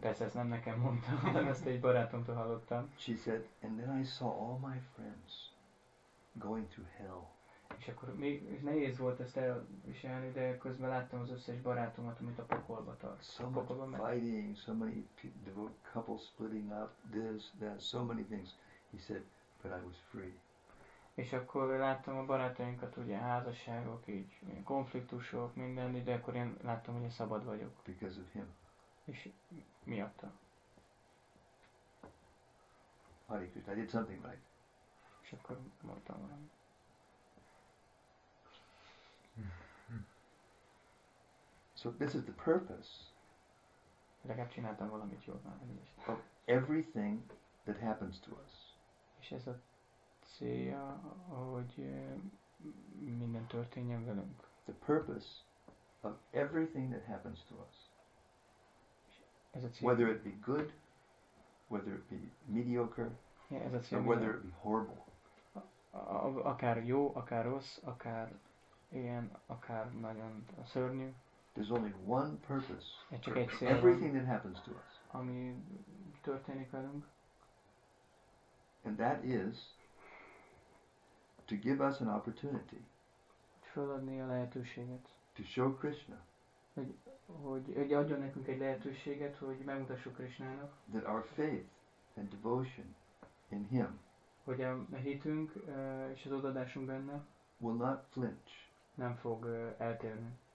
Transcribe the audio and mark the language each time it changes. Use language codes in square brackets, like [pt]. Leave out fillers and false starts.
[hu] Persze, ezt nem nekem mondtam, hanem ezt egy barátomtól hallottam. [en] She said, and then I saw all my friends going through hell. [hu] És akkor még nehéz volt ezt elviselni, de közben láttam az összes barátomat, amit a pokolba tart. [en] So much fighting, so many couples splitting up, this, that, so many things. He said, but I was free. [hu] És akkor láttam a barátainkat, ugye házasságok, így konfliktusok, minden, de akkor én láttam, hogy én szabad vagyok. [en] Because of him. [hu] És miatta. [en] Hare Krishna, I did something right. [hu] És akkor mondtam valamit. [en] So this is the purpose. [hu] Legalább csináltam valamit jól már. [en] Of everything that happens to us. [hu] És ez a célja, hogy minden történjen velünk. [en] The purpose of everything that happens to us. [hu] Ez a cél. [en] Whether it be good, whether it be mediocre, [hu] ja, ez a cél, [en] or whether it be horrible. [hu] Akár jó, akár rossz, akár ilyen, akár nagyon szörnyű. [en] There's only one purpose for everything that happens to us. [hu] ami történik velünk. [en] And that is to give us an opportunity [hu] feladni a lehetőséget, [en] to show Krishna, [hu] hogy adjon nekünk egy lehetőséget, hogy megmutassuk Krishnának, [en] that our faith and devotion in him, [hu] hogy a hitünk és az odaadásunk benne [en] will not flinch, [hu] nem fog eltérni